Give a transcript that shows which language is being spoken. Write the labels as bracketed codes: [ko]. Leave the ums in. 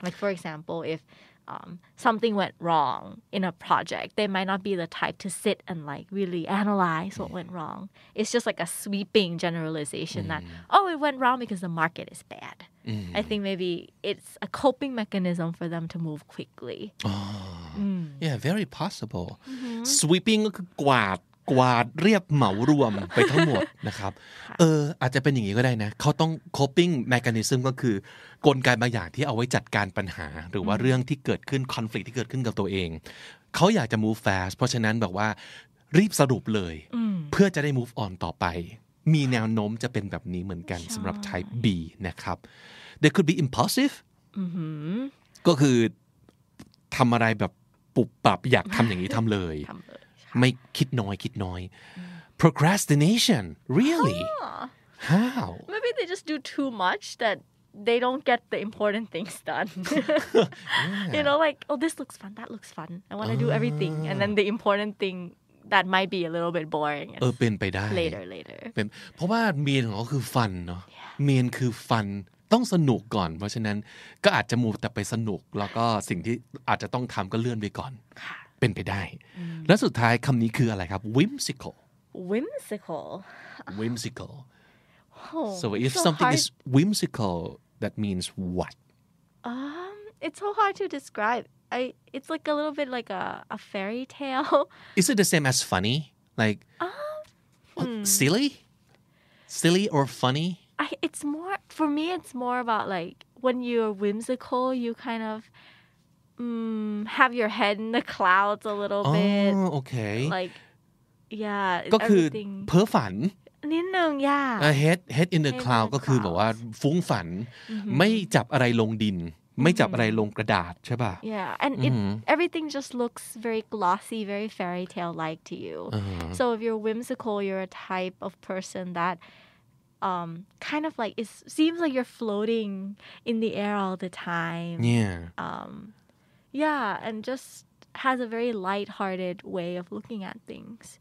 [en] Like for example, if um, something went wrong in a project, they might not be the type to sit and like really analyze what yeah. went wrong. It's just like a sweeping generalization mm. that, oh, it went wrong because the market is bad. Mm. I think maybe it's a coping mechanism for them to move quickly. Oh, mm. Yeah, very possible. Mm-hmm. [th] Sweeping กวาดวาดเรียบเหมารวมไปทั้งหมดนะครับ เอออาจจะเป็นอย่างนี้ก็ได้นะ เขาต้อง coping mechanism ก็คือกลไกบางอย่างที่เอาไว้จัดการปัญหา หรือว่าเรื่องที่เกิดขึ้นคอน FLICT ที่เกิดขึ้นกับตัวเองเขาอยากจะ move fast เพราะฉะนั้นบอกว่า รีบสรุปเลย เพื่อจะได้ move on ต่อไป มีแนวโน้มจะเป็นแบบนี้เหมือนกันสำหรับ type B นะครับ [en] they could be impulsive [th] ก็คือทำอะไรแบบปุบปับอยากทำอย่างนี้ทำเลยไม่คิดน้อย คิดน้อย [en] procrastination really oh. how maybe they just do too much that they don't get the important things done yeah. you know like oh this looks fun that looks fun I want to uh. do everything and then the important thing that might be a little bit boring [th] เออเป็นไปได้ [en] later later [th] เป็นเพราะว่าเมียนของเขาคือฟันเนาะเมียนคือฟันต้องสนุกก่อน เพราะฉะนั้น ก็อาจจะมูแต่ไปสนุก แล้วก็สิ่งที่ อาจจะต้องทำก็เลื่อนไปก่อนค่ะป็นไปได้ และสุดท้ายคำนี้คืออะไรครับ mm. [en] whimsical whimsical whimsical oh, so if so something hard. is whimsical that means what um it's so hard to describe I it's like a little bit like a a fairy tale is it the same as funny like uh, hmm. silly silly it, or funny I, it's more for me it's more about like when you're whimsical you kind of Mm, have your head in the clouds a little oh, bit. Oh, okay. Like, yeah. [th] ก็คือเพ้อฝันนิดนึงยาก yeah. [en] head head in, head cloud. in the cloud [th] ก็คือแบบว่าฟุ้งฝัน ไม่จับอะไรลงดิน ไม่จับอะไรลงกระดาษใช่ป่ะ mm -hmm. [en] mm -hmm. yeah and -hmm. it, everything just looks very glossy very fairy tale like to you uh -huh. so if you're whimsical you're a type of person that um, kind of like it seems like you're floating in the air all the time yeah um, yeah, and just has a very light-hearted way of looking at things.